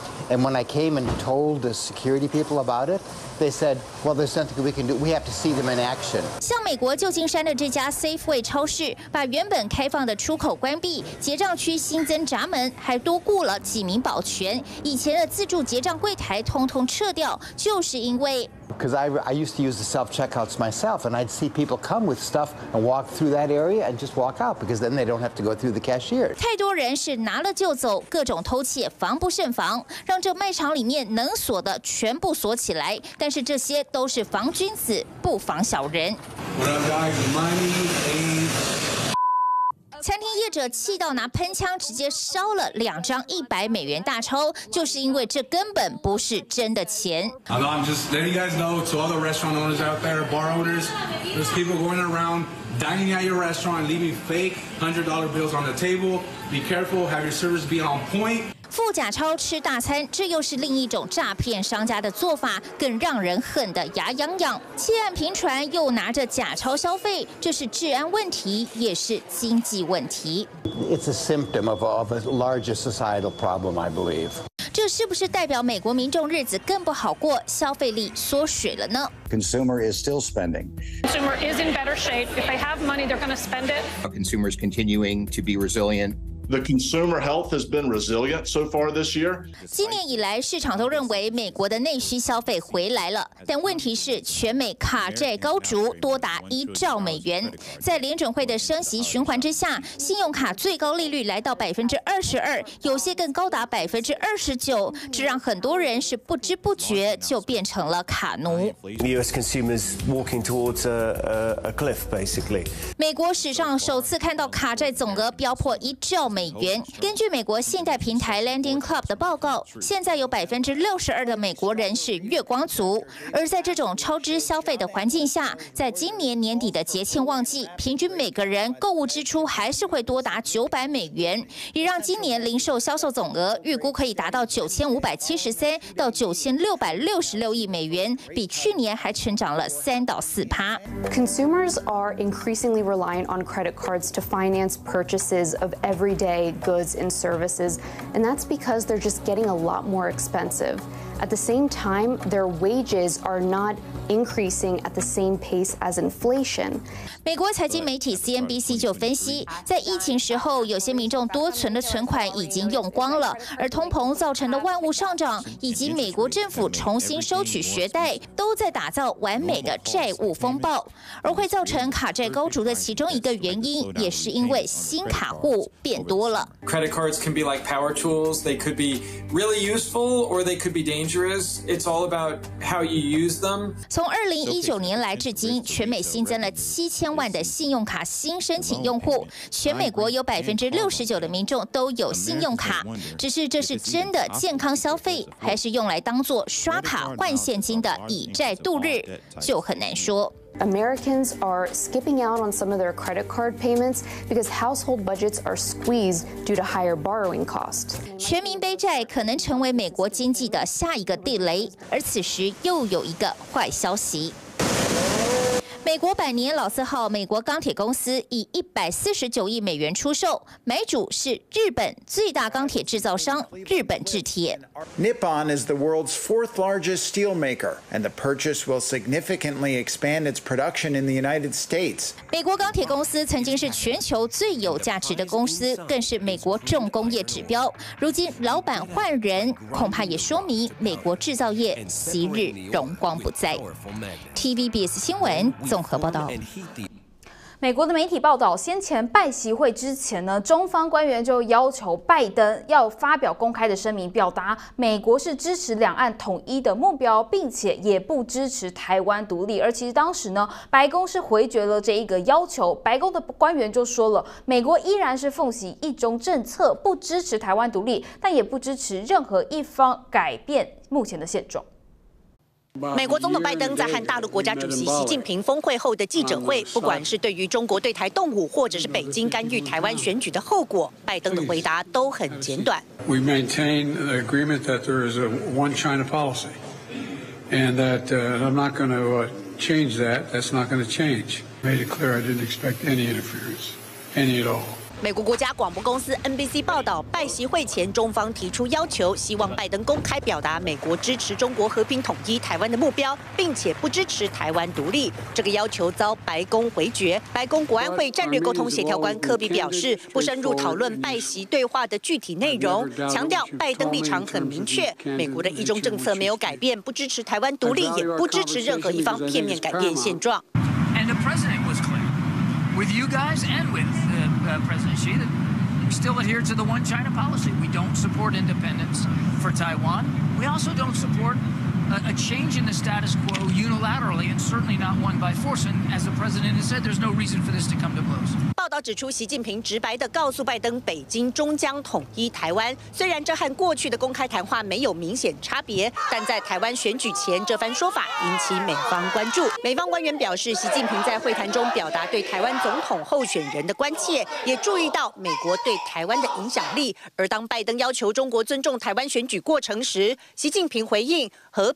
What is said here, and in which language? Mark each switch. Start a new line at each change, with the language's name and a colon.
English: And when I came and told the security people about it,They said, "Well, there's nothing we can do. We have to see them in action."
Chinese: 像美国旧金山的这家 Safeway 超市，把原本开放的出口关闭，结账区新增闸门，还多雇了几名保全。以前的自助结账柜台通通撤掉，就是因为。
English: Because I used to use the self-checkouts myself, and I'd see people come with stuff and walk through that area and just walk out, because then they don't have to go through the cashier.
Chinese: 太多人是拿了就走，各种偷窃防不胜防，让这卖场里面能锁的全部锁起来。但是这些都是防君子，不防小人。餐厅业者气到拿喷枪直接烧了200美元大钞，就是因为这根本不是真的钱。
English: I'm just letting you guys know to all the restaurant owners out there, bar owners, there's people going around dining at your restaurant, leaving fake $100 bills on the table. Be careful, have your servers be on point.
Chinese: 付假钞吃大餐，这又是另一种诈骗商家的做法，更让人恨得牙痒痒。窃案频传，又拿着假钞消费，这是治安问题，也是经济问题。
English: It's a symptom of a larger societal problem, I believe.
Chinese: 这是不是代表美国民众日子更不好过，消费力缩水了呢？
English: Consumer is still spending. Consumer is in better shape. If they have money, they're going to spend it. Consumers continuing to be resilient. The consumer health has been resilient so far this year.
Chinese: 今年以来，市场都认为美国的内需消费回来了，但问题是，全美卡债高筑，多达$1兆。在联准会的升息循环之下，信用卡最高利率来到22%，有些更高达29%，这让很多人是不知不觉就变成了卡奴。
English: U.S. consumers walking towards a cliff, basically.
Chinese: 美国史上首次看到卡债总额飙破$1兆。根据美国信贷平台 Lending Club 的报告，现在有62%的美国人是月光族。而在这种超支消费的环境下，在今年年底的节庆旺季，平均每个人购物支出还是会多达$900，也让今年零售销售总额预估可以达到9573到9666亿美元，比去年还成长了3到4%。
English: Consumers are increasingly reliant on credit cards to finance purchases of everyday goods and services, and that's because they're just getting a lot more expensive. At the same time, their wages are not increasing at the same pace as inflation.
Chinese: 美国财经媒体 CNBC 就分析，在疫情时候，有些民众多存的存款已经用光了，而通膨造成的万物上涨，以及美国政府重新收取学贷，都在打造完美的债务风暴。而会造成卡债高筑的其中一个原因，也是因为新卡户变多了。
English: Credit cards can be like power tools. They could be really useful, or they could be dangerous. It's all about how you use them.
Chinese: 从2019年来至今，全美新增了7000万的信用卡新申请用户，全美国有69%的民众都有信用卡。只是这是真的健康消费，还是用来当作刷卡换现金的以债度日，就很难说。
English: Americans are skipping out on some of their credit card payments because household budgets are squeezed due to higher borrowing costs.
Chinese: 全民背债可能成为美国经济的下一个地雷，而此时又有一个坏消息。美国百年老字号美国钢铁公司以$149亿出售，买主是日本最大钢铁制造商日本制铁。
English: Nippon is the world's fourth largest steel maker, and the purchase will significantly expand its production in the United States.
Chinese: 美国钢铁公司曾经是全球最有价值的公司，更是美国重工业指标。如今老板换人，恐怕也说明美国制造业昔日荣光不再。 TVBS 新闻。综合报道，美国的媒体报道，先前拜习会之前呢，中方官员就要求拜登要发表公开的声明，表达美国是支持两岸统一的目标，并且也不支持台湾独立。而其实当时呢，白宫是回绝了这一个要求，白宫的官员就说了，美国依然是奉行一中政策，不支持台湾独立，但也不支持任何一方改变目前的现状。美国总统拜登在和大陆国家主席习近平峰会后的记者会，不管是对于中国对台动武，或者是北京干预台湾选举的后果，拜登的回答都很简短。
English: We maintain the agreement that there is a one China policy, and that I'm not going to change that. That's not going to change. Made it clear I didn't expect any interference, any at all.
Chinese: 美国国家广播公司 NBC 报道，拜习会前，中方提出要求，希望拜登公开表达美国支持中国和平统一台湾的目标，并且不支持台湾独立。这个要求遭白宫回绝。白宫国安会战略沟通协调官科比表示，不深入讨论拜习对话的具体内容，强调拜登立场很明确，美国的一中政策没有改变，不支持台湾独立，也不支持任何一方片面改变现状。
English: And the president was clear with you guys and with. President Xi, we still adhere to the one China policy. We don't support independence for Taiwan. We also don't support a change in the status quo unilaterally, and certainly not one by force. And as the president has said, there's no reason for this to come to blows.
Chinese: 报道指出，习近平直白地告诉拜登，北京终将统一台湾。虽然这和过去的公开谈话没有明显差别，但在台湾选举前，这番说法引起美方关注。美方官员表示，习近平在会谈中表达对台湾总统候选人的关切，也注意到美国对台湾的影响力。而当拜登要求中国尊重台湾选举过程时，习近平回应，和